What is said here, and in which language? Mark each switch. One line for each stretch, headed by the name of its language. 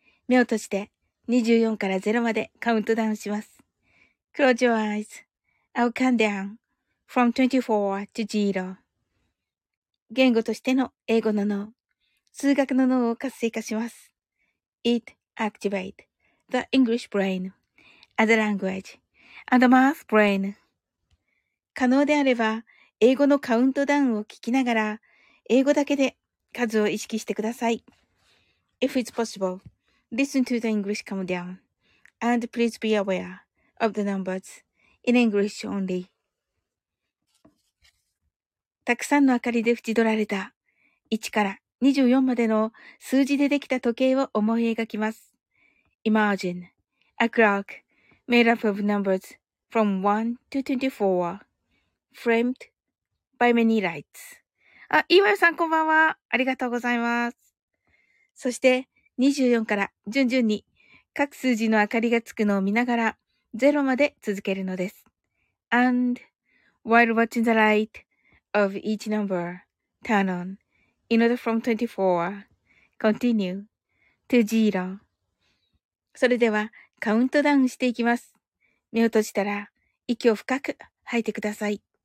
Japanese: 目を閉じて24から0までカウントダウンします。
English: Close your eyes. I'll count down from 24 to 0.
Japanese: 言語としての英語の脳、数学の脳を活性化します。
English: It activate. The English brain, as a language, and math brain.
Japanese: 可能であれば、英語のカウントダウンを聞きながら、英語だけで数を意識してください。
English: If it's possible, listen to the English countdown, and please be aware of the numbers in English only.
Japanese: たくさんの明かりで縁取られた1から24までの数字でできた時計を思い描きます。
English: Imagine a clock made up of numbers from 1 to 24, framed by many lights.
Japanese: あ、いわゆさんこんばんは。ありがとうございます。そして24から順々に各数字の明かりがつくのを見ながら0まで続けるのです。
English: And while watching the light of each number turn on in order from 24, continue to 0.
Japanese: それではカウントダウンしていきます。目を閉じたら息を深く吐いてください。